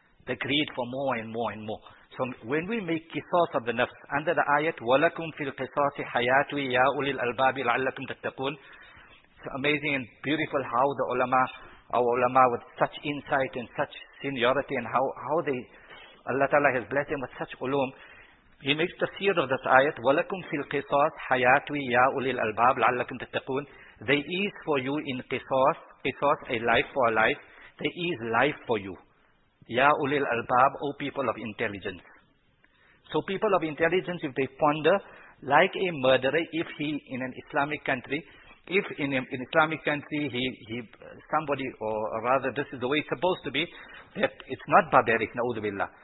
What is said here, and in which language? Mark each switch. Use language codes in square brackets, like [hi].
[en] The greed for more and more and more. So when we make qisas of the nafs, under the ayat, [ar] وَلَكُمْ فِي الْقِصَاصِ حَيَاتُوِ يَا أُولِي الْأَلْبَابِ لَعَلَّكُمْ تَتَّقُونَ. [en] It's amazing and beautiful how the ulama, our ulama with such insight and such seniority, and how they, Allah Ta'ala has blessed them with such ulum. He makes the seer of this ayat, [ar] وَلَكُمْ فِي الْقِصَاصِ حَيَاتُوِ يَا أُولِي الْأَلْبَابِ لَعَلَّكُمْ تَتَّقُونَ. [en] There is for you in qisas, qisas, a life for a life, there is life for you. [ar] يَا أُولِي الْأَلْبَابِ, [en] O people of intelligence. So people of intelligence, if they ponder, like a murderer, if he, in an Islamic country, if in an Islamic country, he somebody, or rather, this is the way it's supposed to be, that it's not barbaric, na'udhu billah.